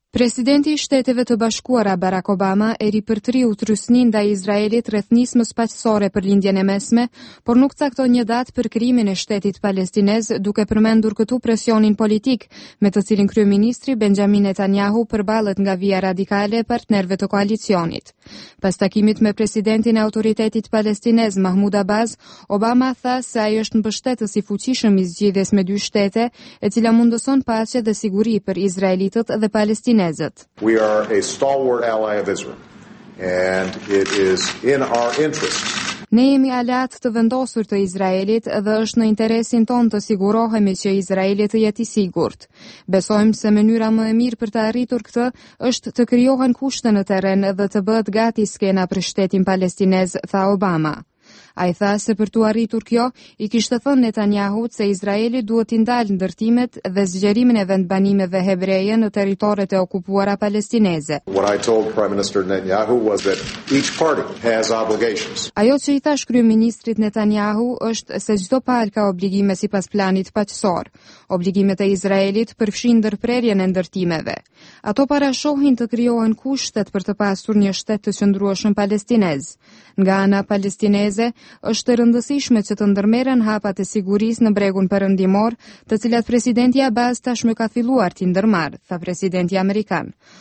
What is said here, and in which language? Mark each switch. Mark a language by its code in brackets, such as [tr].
[sq] Presidenti i Shteteve të Bashkuara Barack Obama eri për tri utrysni nda Izraelit rreth nismës paqësore për lindjen e mesme, por nuk caktoi një datë për krimin e shtetit palestinez, duke përmendur këtu presionin politik, me të cilin kryeministri Benjamin Netanyahu përballet nga Via Radikale partnerëve të koalicionit. Pas takimit me presidentin e autoritetit palestinez Mahmud Abbas, Obama tha se ai është mbështetës i fuqishëm i zgjidhjes me dy shtete, e cila mundëson paqe dhe siguri për izraelitët dhe palestinezët. [en] We are a stalwart ally of Israel, and it is in our interest. [sq] Ne jemi aleat të vendosur të Izraelit dhe është në interesin ton të sigurohemi që Izraeli të jetë i sigurt. Besojmë se mënyra më e mirë për të arritur këtë është të krijohen kushte në terren dhe të bëhet gati skena për shtetin palestinez, tha Obama. Ai tha se për të arritur kjo, i kishte thënë Netanyahut se Izraeli duhet t'i ndalë ndërtimet dhe zgjerimin e vendbanimeve hebreje në territoret e okupuara palestineze. [en] What I told Prime Minister Netanyahu was that each party has obligations. [sq] Ajo që i thash kryeministrit Netanyahu është se çdo palë ka obligime sipas planit paqësor. Obligimet e Izraelit përfshin ndërprerjen e ndërtimeve. Ato parashohin të krijohen kushtet për të pasur një shtet të qëndrueshëm palestinez. Nga ana palestineze është e rëndësishme që të ndërmerren hapat e sigurisë në bregun perëndimor, të cilat presidenti Abbas tashmë ka filluar t'i ndërmarrë, tha presidenti amerikan.